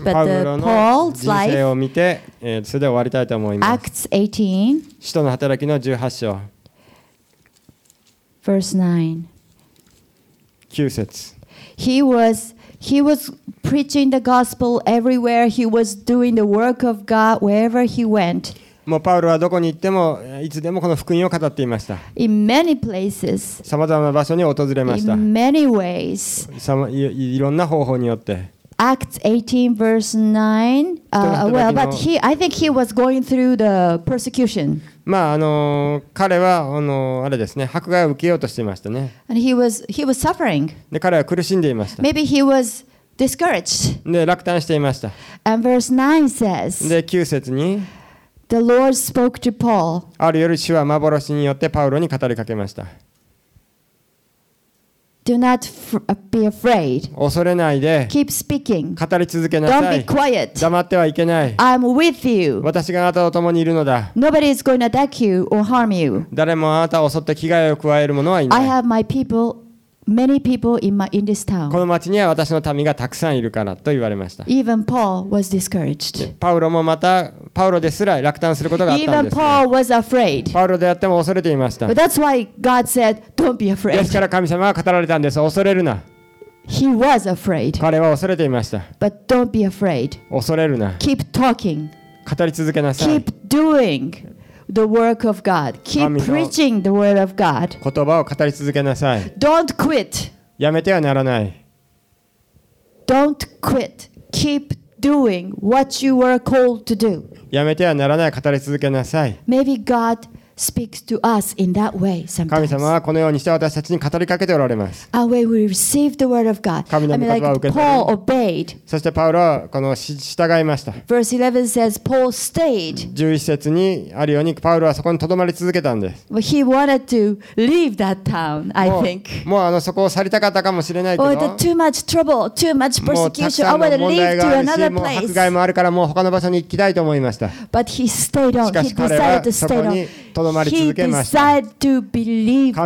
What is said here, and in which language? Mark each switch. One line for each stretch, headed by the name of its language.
English: But Paul's life.
Japanese: 人生を見て、それで終わりたいと思います。
English: Acts 18.
Japanese: 使徒の働きの18章。
English: Verse 9.
Japanese: 九節。
English: He was preaching the gospel everywhere. He was doing the work of God wherever he went.
Japanese: もうパウロはどこに行ってもいつでもこの福音を語っていました。
English: In many places.
Japanese: さまざまな場所に訪れました。
English: In many ways.
Japanese: いろんな方法によって。
English: Acts 18 verse 9. But he, I think he was going through the persecution.
Japanese: まあ、彼は、あれですね、迫害を受けようとしていましたね。
English: And he was suffering.
Japanese: で、彼は苦しんでいました。
English: Maybe he was discouraged.
Japanese: で、落胆していました。
English: And verse 9 says,
Japanese: で、9節に、
English: The Lord spoke to Paul.
Japanese: ある夜、主は幻によってパウロに語りかけました。
English: Do not be afraid.
Japanese: 恐れないで。
English: Keep speaking.
Japanese: 語り続けなさい。
English: Don't be quiet.
Japanese: 黙ってはいけない。
English: I'm with you.
Japanese: 私があなたと共にいるのだ。
English: Nobody is going to attack you or harm you.
Japanese: 誰もあなたを襲って危害を加える者はいない。
English: I have my people, many people in this town.
Japanese: この町には私の民がたくさんいるからと言われました。
English: Even Paul was discouraged.
Japanese: パウロもまた、パウロですら落胆することがあったんです、ね。
English: Even Paul was afraid.
Japanese: パウロであっても恐れていました。
English: But that's why God said, "Don't be afraid."
Japanese: ですから神様は語られたんです。恐れるな。
English: He was afraid.
Japanese: 彼は恐れていました。
English: But don't be afraid.
Japanese: 恐れるな。
English: Keep talking.
Japanese: 語り続けなさい。
English: Keep doing the work of God. Keep preaching the word of God.
Japanese: 言葉を語り続けなさい。
English: Don't quit.
Japanese: やめてはならない。
English: Don't quit. Keep doing what you were called to do.
Japanese: やめてはならない語り続けなさい。
English: Maybe God speaks to us in that way sometimes.
Japanese: 神様はこのようにして私たちに語りかけておられます。
English: And when we receive the word of God,
Japanese: 神の御言葉を受け取り、
English: Paul obeyed.
Japanese: そしてパウロはこの従いました。
English: Verse 11 says Paul stayed.
Japanese: 11節にあるようにパウロはそこに留まり続けたんです。
English: But he wanted to leave that town, I think.
Japanese: もうそこを去りたかったかもしれないけど。
English: Oh, the too much trouble, too much persecution. I want to leave to another place.
Japanese: もう迫害もあるからもう他の場所に行きたいと思いました。
English: But he stayed on.
Japanese: しかし彼はそこに留まり続けました。